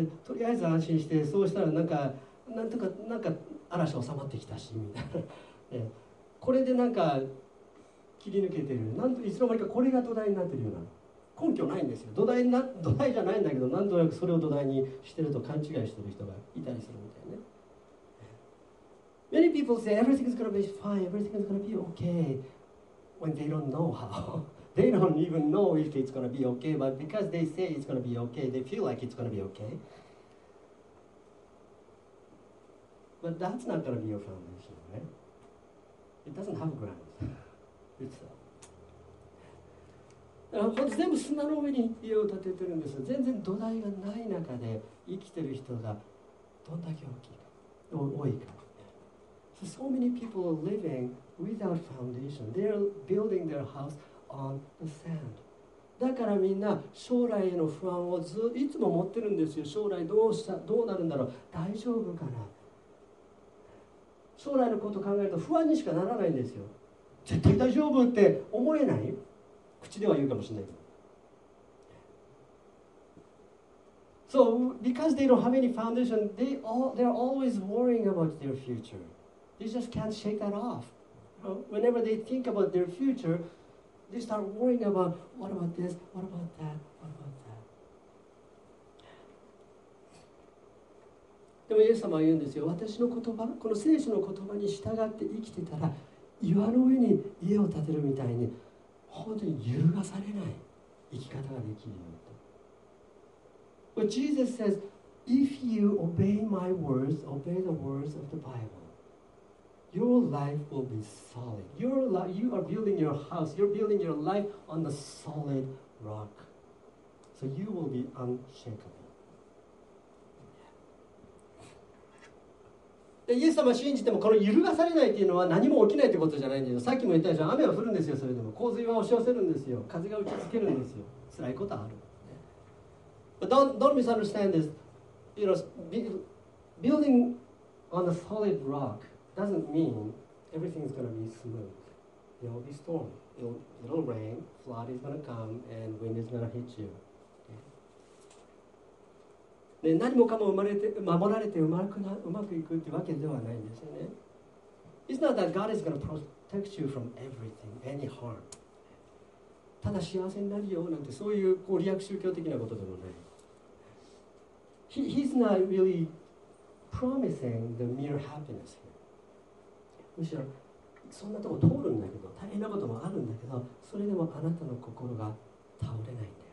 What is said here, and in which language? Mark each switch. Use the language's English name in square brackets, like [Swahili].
[Japanese] で、とりあえず安心して、そうしたらなんか、なんとか、なんか嵐収まってきたし、みたいな。で、これでなんか切り抜けてる。なんといつの間にかこれが土台になってるような。根拠ないんですよ。土台じゃないんだけど、なんとなくそれを土台にしてると勘違いしてる人がいたりするみたいね。 [English] Many people say everything's gonna be fine, everything's gonna be okay when they don't know how. They don't even know if it's gonna be okay, but because they say it's gonna be okay, they feel like it's gonna be okay. But that's not gonna be your foundation, right? It doesn't have ground. It's [Japanese] これ全部砂の上に家を建ててるんですよ。全然土台がない中で生きてる人がどんだけ大きいか、多いか。 [English] So many people are living without foundation. They're building their house on the sand. [Japanese] だからみんな将来への不安をいつも持ってるんですよ。将来どうなるんだろう。大丈夫かな。将来のことを考えると不安にしかならないんですよ。絶対大丈夫って思えない。口では言うかもしれない。 [English] So because they don't have any foundation, they're always worrying about their future. They just can't shake that off. Whenever they think about their future, they start worrying about what about this, what about that, what about that. [Japanese] でもイエス様は言うんですよ。私の言葉、この聖書の言葉に従って生きてたら、岩の上に家を建てるみたいに本当に揺るがされない生き方ができるよと。 [English] But Jesus says, if you obey my words, obey the words of the Bible. Your life will be solid. You are building your house. You're building your life on the solid rock. So you will be unshakable. [Japanese] で、イエス様信じてもこの揺るがされないっていうのは何も起きないってことじゃないんですよ。さっきも言ったでしょ。雨は降るんですよ。それでも洪水は押し寄せるんですよ。風が打ちつけるんですよ。辛いことある。 [English] But don't misunderstand this. You know, building on a solid rock. Doesn't mean everything's gonna be smooth. There will be storm. It'll rain. Flood is gonna come, and wind is gonna hit you. [Japanese] ね、何もかも守られてうまくいくってわけではないんですよね。 [English] It's not that God is gonna protect you from everything, any harm. [Japanese] ただ幸せになるよなんてそういうこう利益宗教的なことでもない。 [English] He's not really promising the mere happiness. [Japanese] むしろそんなとこ通るんだけど大変なこともあるんだけどそれでもあなたの心が倒れないんだよ